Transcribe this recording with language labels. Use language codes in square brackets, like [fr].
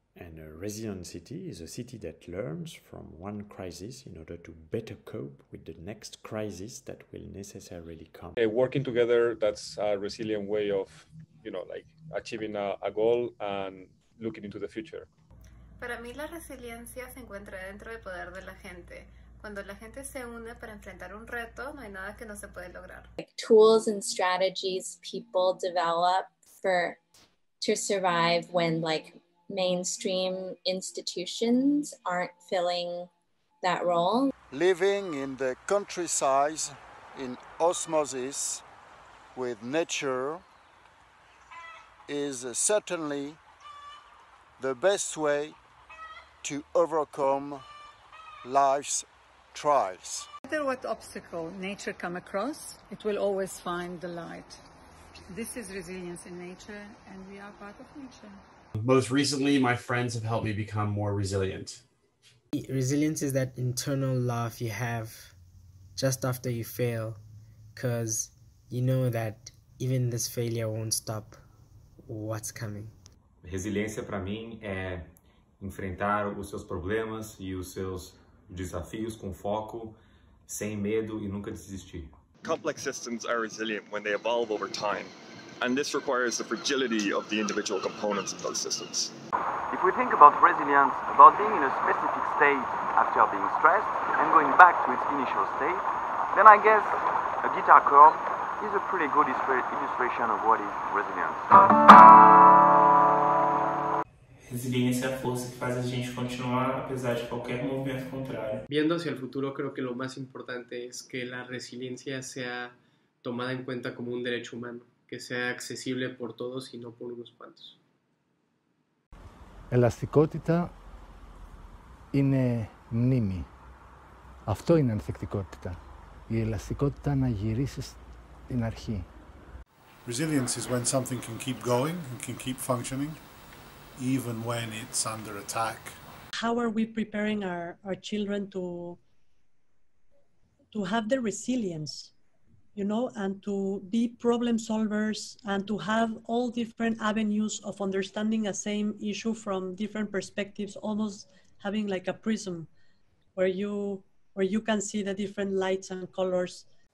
[en] And a resilient city is a city that learns from one crisis in order to better cope with the next crisis that will necessarily come. Okay, working together, that's a resilient way of, you know, like achieving a goal and looking into the future. [es] Para mí la resiliencia se encuentra dentro del poder de la gente. Cuando la gente se une para enfrentar un reto, no hay nada que no se puede lograr. [en] Like tools and strategies people develop to survive when like mainstream institutions aren't filling that role. Living in the countryside, in osmosis with nature, is certainly the best way to overcome life's trials. No matter what obstacle nature come across, it will always find the light. This is resilience in nature, and we are part of nature. Most recently, my friends have helped me become more resilient. Resilience is that internal laugh you have just after you fail, because you know that even this failure won't stop what's coming. [pt] Resiliência para mim é enfrentar os seus problemas e os seus desafios com foco, sem medo e nunca desistir. [en] Complex systems are resilient when they evolve over time, and this requires the fragility of the individual components of those systems. If we think about resilience, about being in a specific state after being stressed and going back to its initial state, then I guess a guitar chord is a pretty good illustration of what is resilience. [pt] Resiliência é a força que faz a gente continuar apesar de qualquer movimento contrário. [es] Viendo hacia el futuro, creo que lo más importante es que la resiliencia sea tomada en cuenta como un derecho humano, que sea accesible por todos y no por unos cuantos. [el] Ελαστικότητα είναι μνήμη. Αυτό είναι ανθεκτικότητα. Η ελαστικότητα να γυρίσεις στην αρχή. [en] Resilience is when something can keep going and can keep functioning, even when it's under attack. How are we preparing our children to have the resilience, you know, and to be problem solvers and to have all different avenues of understanding a same issue from different perspectives, almost having like a prism where you can see the different lights and colors.